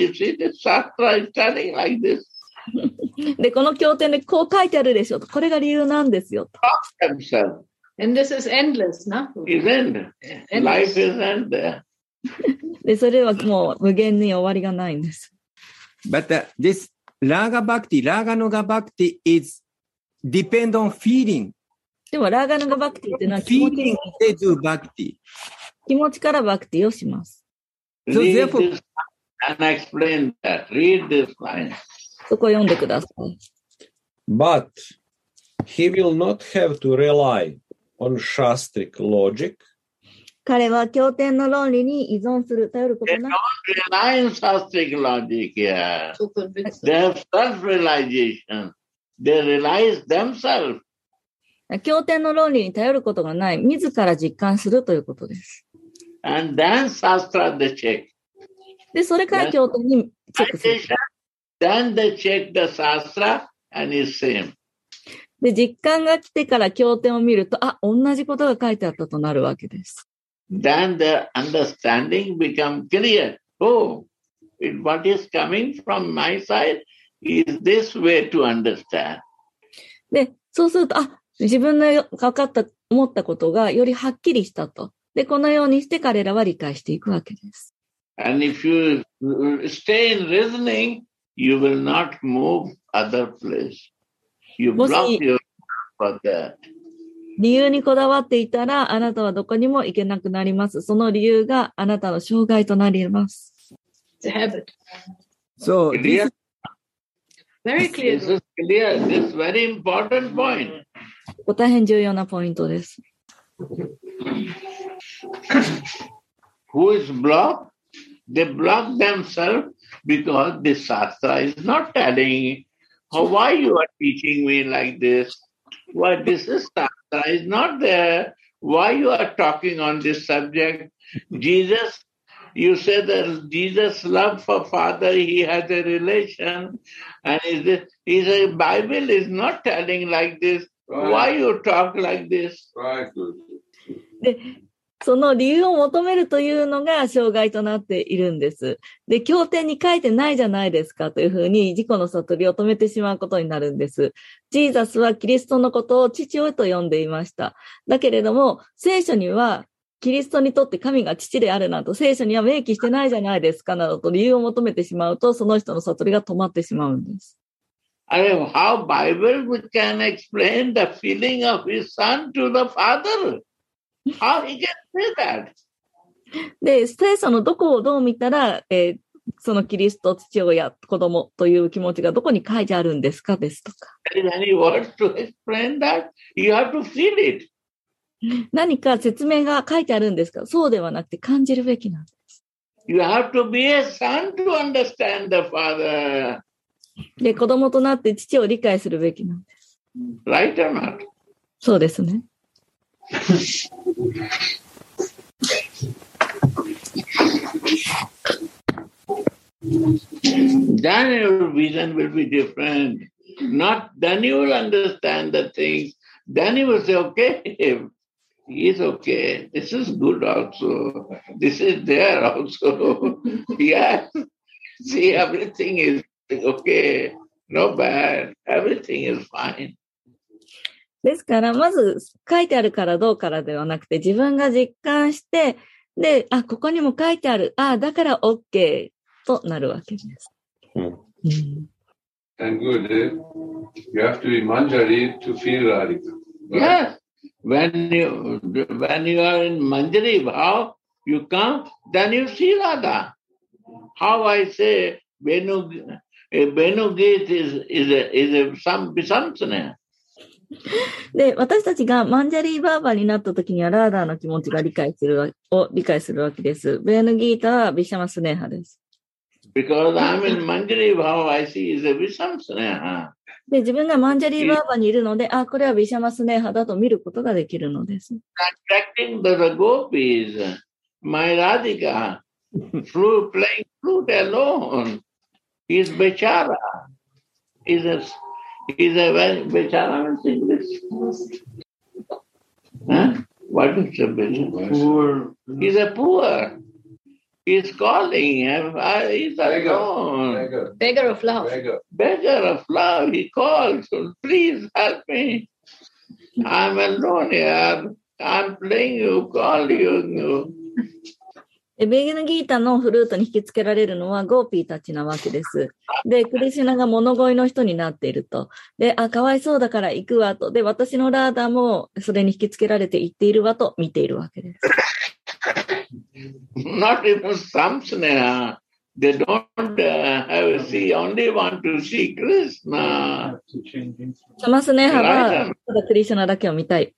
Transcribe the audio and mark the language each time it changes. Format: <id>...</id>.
<en>You see, the sastra is telling like this.</en> <ja>で、この経典でこう書いてあるでしょうと。これが理由なんですよと。</ja> <en>Talk themselves. And this is endless, no? It's endless. Life is endless.</en> <ja>で、それはもう無限に終わりがないんです。</ja> <en>But this Raga Bhakti, Raga Noga Bhakti is depend on feeling.</en> <ja>でも、Raga Noga Bhakti ってのは気持ち。</ja> <en>Feeling they do bhakti.</en> <ja>気持ちからバクティをします。</ja> <en>So and explain that. Read this line.</en> <ja>そこを読んでください。</ja> <en>But he will not have to rely on Shastric logic.</en> <ja>彼は経典の論理に依存する、頼ることなく。</ja> <en>They don't rely on Shastric logic, yeah. They have self-realization. They rely on themselves.</en> <ja>経典の論理に頼ることがない、自ら実感するということです。</ja> <en>And then Shastra the check.</en> <ja>で、それから教典にチェックする。</ja> <en>Then they check the Shastra and it's same.</en> <ja>で、実感が来てから教典を見ると、あ、同じことが書いてあったとなるわけです。</ja> <en>Then the understanding becomes clear. Oh, what is coming from my side is this way to understand.</en> <ja>で、そうすると、あ、自分の分かった、思ったことがよりはっきりしたと。で、このようにして彼らは理解していくわけです。</ja> <en>And if you stay in reasoning, you will not move other place. You block yourself for that.</en> <ja>理由にこだわっていたら、あなたはどこにも行けなくなります。その理由があなたの障害となります。</ja> <en>It's a habit. So, very clear. This is very important point. ここ大変重要なポイントです。 Who is blocked? They block themselves because the Shastra is not telling how, why you are teaching me like this. Why this is Shastra is not there. Why you are talking on this subject? Jesus, you said that Jesus love for Father, he has a relation. And he said, Bible is not telling like this. Why you talk like this?</en> <ja>その理由を求めるというのが障害となっているんです。で、経典に書いてないじゃないですかというふうに自己の悟りを止めてしまうことになるんです。ジーザスはキリストのことを父親と呼んでいました。だけれども、聖書にはキリストにとって神が父であるなど、聖書には明記してないじゃないですかなどと理由を求めてしまうと、その人の悟りが止まってしまうんです。</ja> <en>I mean, how Bible can explain the feeling of his son to the father? How he can say that?</en> <ja>で、聖書のどこをどう見たら、そのキリスト父親子供という気持ちがどこに書いてあるんですかですとか。何か説明が書いてあるんですか。そうではなくて感じるべきなんです。</ja> <en>You have to be a son to understand the father.</en> <ja>で、子供となって父を理解するべきなんです。</ja> <en>Right or not?</en> <ja>そうですね。</ja> <en>Then your vision will be different. Not then you will understand the things. Then you will say, okay, he's okay. This is good also. This is there also. Yes. See, everything is okay. No bad. Everything is fine.</en> <ja>ですからまず書いてあるからどうからではなくて自分が実感してで、あ、ここにも書いてある、あ、だから OK となるわけです。</ja> <en>And good, you have to be Manjari to feel Radhika, right? Yes, when you are in Manjari, how you come, then you see Radha. How I say Venugit is a some bisamsana.</en> <ja>で、私たちがマンジャリーバーバーになった時にはラーダーの気持ちが理解するわけです。ベーヌギータはビシャマスネハです。</ja> <en>Because I'm in Manjari Bhava, I see is a Visham Sneha.</en> <ja>で、自分がマンジャリーバーバーにいるので、あ、これはビシャマスネハだと見ることができるのです。</ja> <en>Attracting the gopis, my Radhika, flute playing flute alone, is Bechara, is a. Is a very bechara in English? What is a poor? He's a poor. He's calling. Beggar of love. He calls. Please help me. I'm alone here. I'm playing you, calling you.</en> <ja>ベグヌギータのフルートに引きつけられるのはゴーピーたちなわけです。で、クリシュナが物乞いの人になっていると。で、あ、かわいそうだから行くわと。で、私のラーダもそれに引きつけられて行っているわと見ているわけです。</ja> <en>Not even some snare. They don't have a see, only want to see Krishna.</en> <ja>サマスネハはただクリシュナだけを見たい。</ja>